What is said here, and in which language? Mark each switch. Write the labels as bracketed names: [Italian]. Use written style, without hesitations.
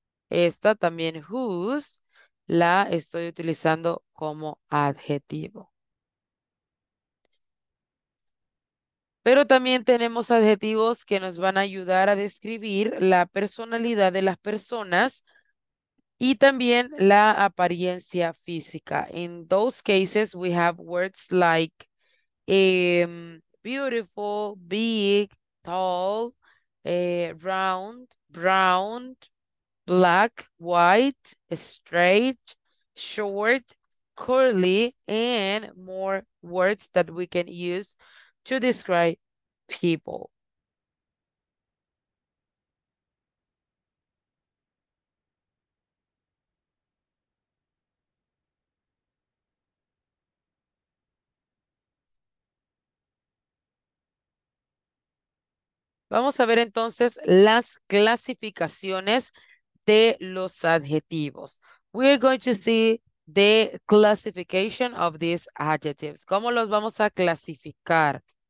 [Spanish] Esta también, whose, la estoy utilizando como adjetivo. Pero también tenemos adjetivos que nos van a ayudar a describir la personalidad de las personas Y también la apariencia física. [English] In those cases, we have words like beautiful, big, tall, round, brown, black, white, straight, short, curly, and more words that we can use to describe people. [Spanish] Vamos a ver entonces las clasificaciones de los adjetivos. [English] We're going to see the classification of these adjectives. [Spanish] ¿Cómo los vamos a clasificar?